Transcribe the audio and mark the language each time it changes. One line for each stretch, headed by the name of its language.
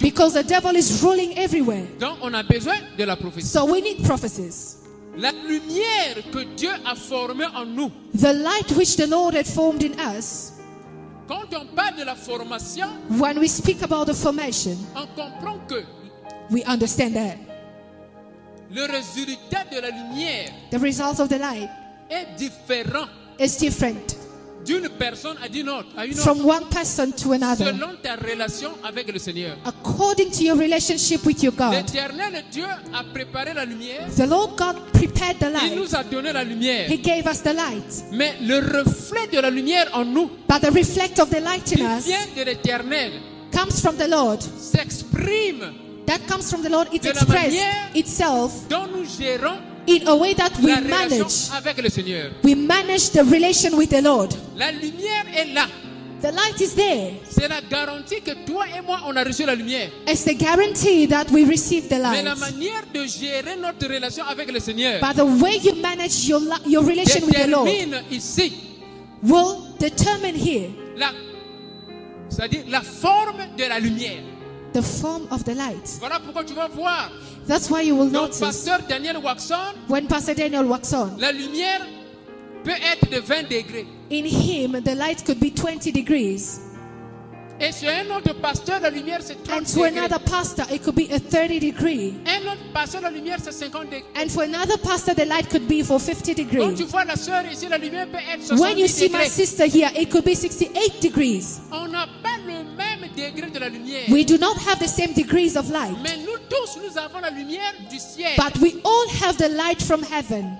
English: Because the devil is ruling everywhere.
French: Donc, on a besoin de la prophétie.
English: So we need prophecies.
French: La lumière que Dieu a formée en nous.
English: The light which the Lord had formed in us.
French: Quand on parle de la formation,
English: when we speak about the formation,
French: on comprend que
English: we understand that
French: le résultat de la lumière,
English: the result of the light,
French: est différent,
English: is different
French: d'une personne à une autre, à une
English: from
French: autre,
English: one person to another,
French: selon ta relation avec le Seigneur,
English: according to your relationship with your God.
French: L'Éternel Dieu a préparé la lumière,
English: the Lord God prepared the light.
French: Il nous a donné la lumière,
English: he gave us the light.
French: Mais le reflet de la lumière en nous,
English: but the reflect of the light in us,
French: vient de l'Éternel,
English: comes from the Lord,
French: s'exprime,
English: that comes from the Lord, it expresses itself
French: dont nous gérons
English: in a way that we manage
French: avec le Seigneur.
English: We manage the relation with the Lord.
French: La lumière est là.
English: The light is there.
French: C'est la garantie que toi et moi on a reçu la lumière.
English: It's the guarantee that we receive the light.
French: Mais la manière de gérer notre relation avec le Seigneur,
English: by the way you manage your relation with the Lord,
French: détermine ici,
English: will determine here,
French: la, c'est-à-dire la forme de la lumière,
English: the form of the light.
French: Voilà pourquoi tu vas voir.
English: That's why you will
French: Donc,
English: notice.
French: Pasteur Daniel Waxon,
English: when Pastor Daniel walks on,
French: la lumière peut être de 20 degrés.
English: In him, the light could be 20 degrees.
French: Et sur un autre pasteur, la lumière c'est 30
English: and to
French: degrés.
English: Another pastor, it could be a 30 degree.
French: Un autre pasteur, la lumière c'est 50 degrés.
English: And for another pastor, the light could be for 50 degrees.
French: Quand tu vois la sœur ici, la lumière peut être
English: 60 when you see
French: degrés.
English: My sister here, it could be 68 degrees.
French: On n'a pas le même degré de la lumière.
English: We do not have the same degrees of light.
French: Mais nous tous, nous avons la lumière du ciel.
English: But we all have the light from heaven.